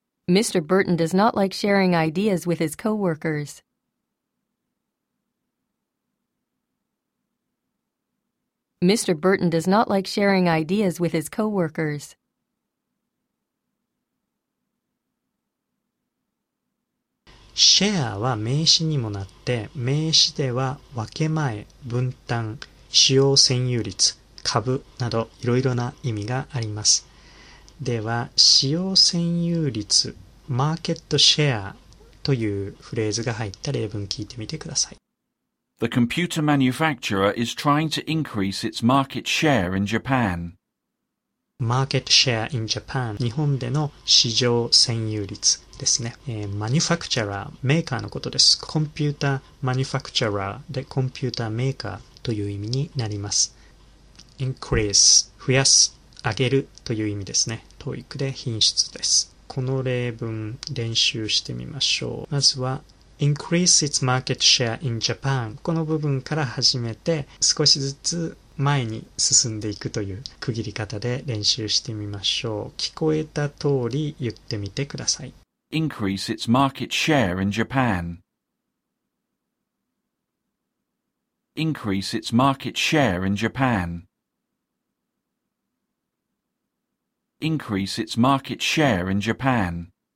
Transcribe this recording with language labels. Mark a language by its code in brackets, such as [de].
[en] Mr. Burton does not like sharing ideas with his co-workers. Mr. Burton does not like sharing ideas with his co-workers. [ja] Share は名詞にもなって、名詞では分け前、分担、使用占有率、株などいろいろな意味があります。では、使用占有率、マーケットシェアというフレーズが入った例文聞いてみてください。 [en] The computer manufacturer is trying to increase its market share in Japan. Market share in Japan. [ja] 日本での市場占有率ですね。Manufacturer, メーカーのことです。 [en] Computer manufacturer [ja] で [en] computer maker [ja] という意味になります。 Increase, 増やす、上げるという意味ですね。 TOEIC で品質です。この例文練習してみましょう。まずは、 [en] Increase its market share in Japan. [ja] この部分から始めて少しずつ前に進んでいくという区切り方で練習してみましょう。聞こえた通り言ってみてください。 [en] Increase its market share in Japan. Increase its market share in Japan. Increase its market share in Japan.